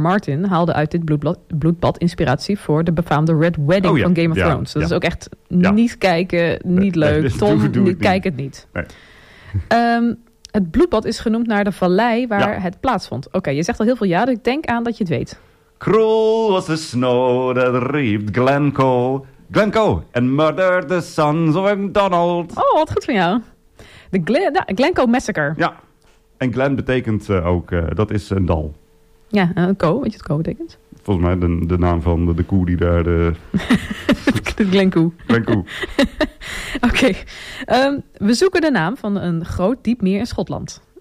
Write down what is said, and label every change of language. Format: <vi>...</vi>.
<nl>Martin haalde uit dit bloedbad inspiratie voor de befaamde Red Wedding van Game of Thrones. Dat is ook echt niet kijken, niet leuk. Tom, kijk het niet. Nee. Het bloedbad is genoemd naar de vallei waar het plaatsvond. Oké, je zegt al heel veel ja, dus ik denk aan dat je het weet.</nl> <en>Cruel was the snow that reaped Glencoe and murdered the sons of Donald.</en> <nl>Oh, wat goed van jou. De Glencoe Massacre. Ja, en Glen betekent ook, dat is een dal. Ja, een koe, weet je wat koe betekent? Volgens mij de naam van de koe die daar... Glencoe. Oké. We zoeken de naam van een groot diep meer in Schotland.</nl>